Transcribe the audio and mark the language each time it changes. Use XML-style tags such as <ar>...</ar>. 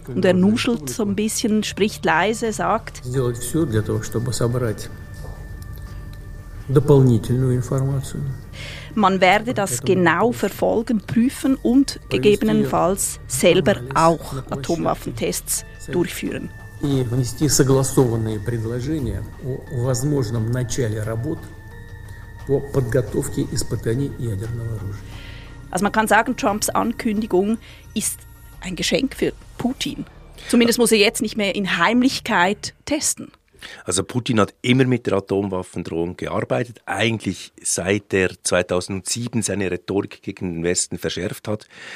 <de>Und er nuschelt so ein bisschen, spricht leise, sagt: Man werde das genau verfolgen, prüfen und gegebenenfalls selber auch Atomwaffentests durchführen.</de> <ru>И внести согласованные предложения о возможном начале работ по подготовке испытаний ядерного оружия.</ru> <de>Also man kann sagen, Trumps Ankündigung ist ein Geschenk für Putin. Zumindest muss er jetzt nicht mehr in Heimlichkeit testen. Also Putin hat immer mit der Atomwaffendrohung gearbeitet, eigentlich seit er 2007 seine Rhetorik gegen den Westen verschärft hat.</de>